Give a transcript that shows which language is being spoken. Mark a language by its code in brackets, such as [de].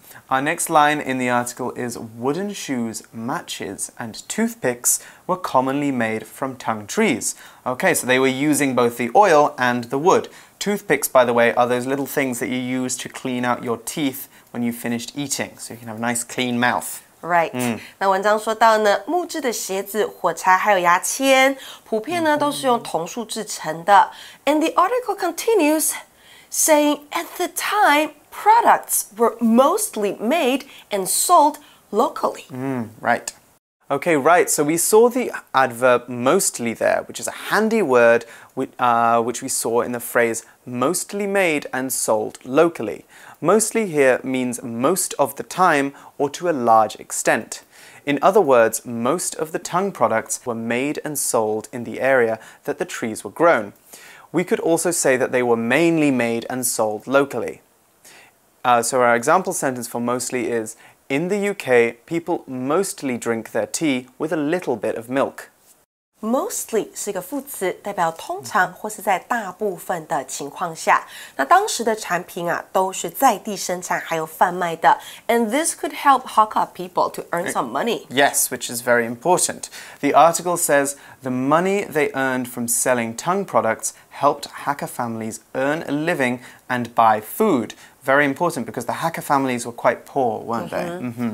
[en] Our next line in the article is wooden shoes, matches, and toothpicks were commonly made from tongue trees. Okay, so they were using both the oil and the wood. Toothpicks, by the way, are those little things that you use to clean out your teeth when you've finished eating, so you can have a nice clean mouth. Right. [zh] 那文章说到呢，木质的鞋子、火柴还有牙签，普遍呢都是用桐树制成的。 [en] And the article continues, saying at the time, products were mostly made and sold locally. Right. Okay. Right. So we saw the adverb mostly there, which is a handy word which we saw in the phrase mostly made and sold locally. Mostly here means most of the time or to a large extent. In other words, most of the tongue products were made and sold in the area that the trees were grown. We could also say that they were mainly made and sold locally. So our example sentence for mostly is, in the UK, people mostly drink their tea with a little bit of milk. [zh] Mostly 是一个副词，代表通常或是在大部分的情况下。那当时的产品啊，都是在地生产还有贩卖的。 [en] And this could help Hakka people to earn some money. Yes, which is very important. The article says the money they earned from selling tongue products helped Hakka families earn a living and buy food. Very important because the Hakka families were quite poor, weren't they?